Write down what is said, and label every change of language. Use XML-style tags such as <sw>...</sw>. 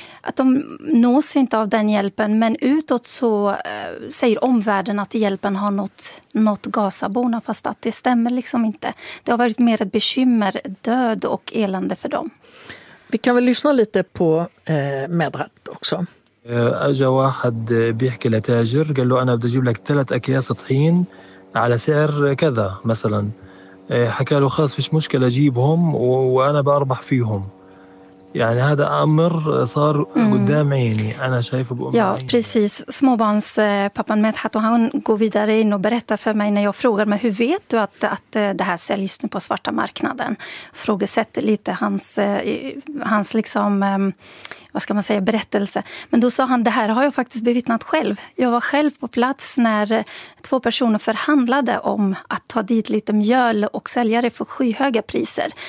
<sv>Att de nås inte av den hjälpen, men utåt så säger omvärlden att hjälpen har nått Gazaborna, fast att det stämmer liksom inte. Det har varit mer ett bekymmer, död och elände för dem. Vi kan väl lyssna lite på Medrat också.</sv> <ar>اجا واحد بيحكي لتاجر قال له انا بدي اجيب لك 3 اكياس طحين على سعر كذا مثلا حكى له خلاص فيش مشكله اجيبهم وانا باربح فيهم يعني هذا امر صار قدام عيني انا شايفه بامي.</ar> <sv>Ja, precis. Småbarns pappan Medhat, och han går vidare in och berättar för mig när jag frågar mig, hur vet du att det här säljs nu på svarta marknaden? Frågesätter lite hans liksom, vad ska man säga, berättelse. Men då sa han, det här har jag faktiskt bevittnat själv. Jag var själv på plats när 2 personer förhandlade om att ta dit lite mjöl och sälja det för skyhöga priser.</sv>